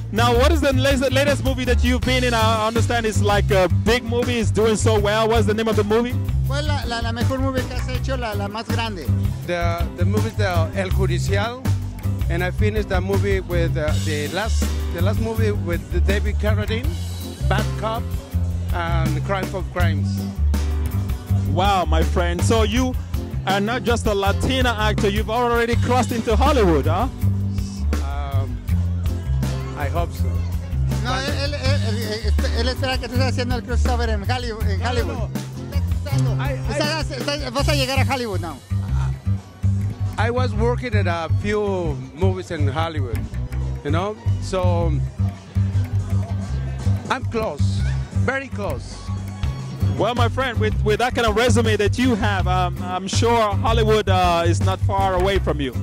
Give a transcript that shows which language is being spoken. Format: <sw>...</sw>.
<en>Now, what is the latest movie that you've been in? I understand it's like a big movie. It's doing so well. What's the name of the movie?</en> <es>Well, la mejor movie que has hecho, la más grande.</es> <en>The movie is El Judicial, and I finished that movie with the last movie with David Carradine, Bad Cop, and Crime of Crimes. Wow, my friend. So you. And not just a Latina actor, you've already crossed into Hollywood, huh? I hope so.</en> <es>No, él espera que estés haciendo el crossover en Hollywood. Vas a llegar a Hollywood now.</es> <en>I was working at a few movies in Hollywood, you know? So, I'm close, very close. Well, my friend, with that kind of resume that you have, I'm sure Hollywood is not far away from you.</en>